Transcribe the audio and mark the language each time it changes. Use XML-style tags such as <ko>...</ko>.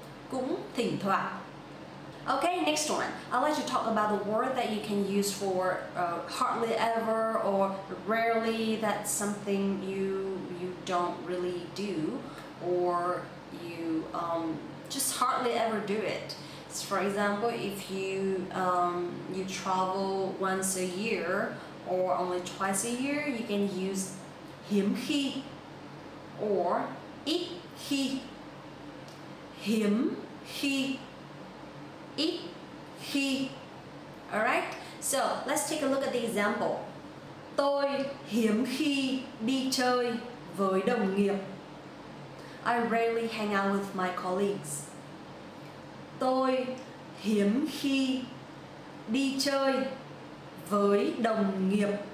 <vi>Cũng thỉnh thoảng.</vi> <en>Okay, next one. I'd like to talk about the word that you can use for hardly ever or rarely. That's something you don't really do, or you just hardly ever do it. So for example, if you you travel once a year or only twice a year, you can use</en> <vi>hiếm khi</vi> <en>or</en> <vi>ít khi. Hiếm khi. Ít khi.</vi> <en>Alright, so let's take a look at the example.</en> <vi>Tôi hiếm khi đi chơi với đồng nghiệp.</vi> <en>I rarely hang out with my colleagues.</en> <vi>Tôi hiếm khi đi chơi với đồng nghiệp.</vi>